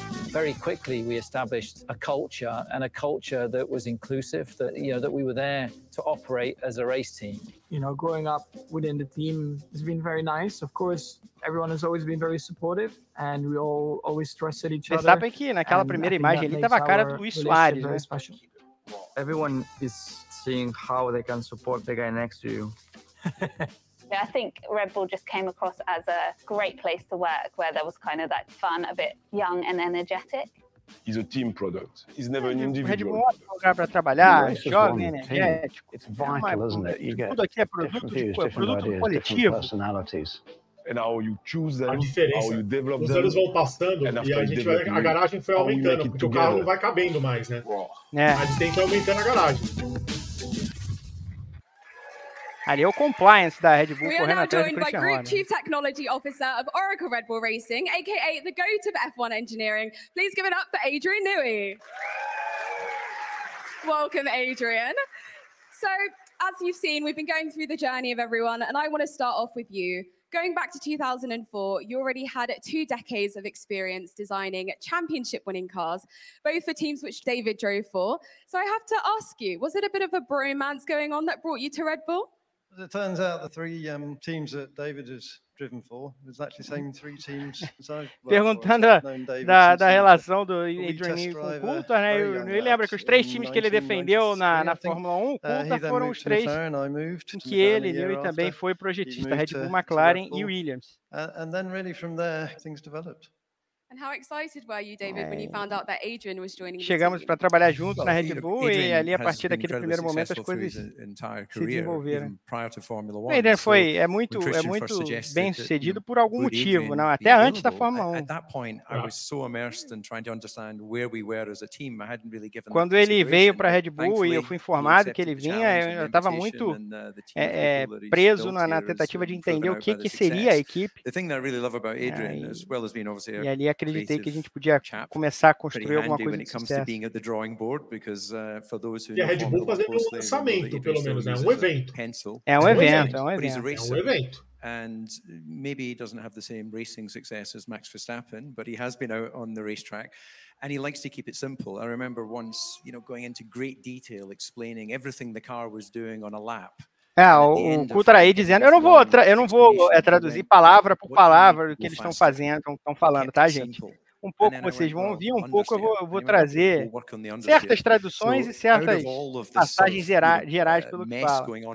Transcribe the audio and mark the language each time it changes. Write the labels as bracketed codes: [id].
[en] Very quickly we established a culture, and a culture that was inclusive, that, you know, that we were there to operate as a race team. You know, growing up within the team has been very nice. Of course, everyone has always been very supportive, and we all always trusted each other. [pt] Sabe que naquela primeira imagem ali tava a cara do Luis Suárez, né? [en] Everyone is seeing how they can support the guy next to you. Yeah, I think Red Bull just came across as a great place to work, where there was kind of that fun, a bit young and energetic. He's a team product. He's never an individual. [pt] Red Bull é um lugar para trabalhar, jovem, energético. [en] It's vital, isn't it? You get [pt] tudo aqui é produto, [en] different views, [pt] tipo, é produto [en] ideas, personalities. And how you choose them, how you develop them. [pt] Os anos vão passando e a garagem foi aumentando, porque o carro não vai cabendo mais, né? [en] Yeah. [pt] A gente tem que aumentar a garagem. Ali é o compliance da Red Bull correndo atrás do Cristiano. [en] We are now joined by Group Chief Technology Officer of Oracle Red Bull Racing, a.k.a. the GOAT of F1 Engineering. Please give it up for Adrian Newey. Welcome, Adrian. So, as you've seen, we've been going through the journey of everyone, and I want to start off with you. Going back to 2004, you already had two decades of experience designing championship-winning cars, both for teams which David drove for. So I have to ask you, was it a bit of a bromance going on that brought you to Red Bull? As it turns out, the three teams that David has driven for is actually the same three teams. [pt] Perguntando da relação do Adrian Newey com o Coulthard, né? Eu lembro que os três times que ele defendeu na Fórmula 1, o Coulthard foram os três em que ele, Newey, também foi projetista, Red Bull, McLaren e Williams. [en] And then really from there, things developed. And how excited were you, David, when you found out that Adrian was joining? [pt] Chegamos para trabalhar juntos na Red Bull e ali a partir daquele primeiro momento as coisas se desenvolveram. [en] Prior to Formula [pt] One, Adrian foi muito bem sucedido por algum motivo, não? Até antes da Fórmula 1. [en] At that point, I was so immersed in trying to understand where we were as a team. I hadn't really given. [pt] Quando ele veio para a Red Bull e eu fui informado que ele vinha, eu estava muito preso na tentativa de entender o que seria a equipe. [en] The thing that I really love about Adrian, as well as being obviously [pt] acreditei que a gente podia começar a construir alguma coisa de sucesso. E a Red Bull fazendo um lançamento, pelo menos, né? É um evento. [en] And maybe he doesn't have the same racing success as Max Verstappen, but he has been out on the racetrack, and he likes to keep it simple. I remember once, you know, going into great detail explaining everything the car was doing on a lap. [pt] O Coulthard aí dizendo, eu não vou traduzir palavra por palavra o que eles estão fazendo, estão falando, tá, gente? Um pouco vocês vão ouvir, um pouco eu vou trazer certas traduções e certas passagens gerais pelo que fala.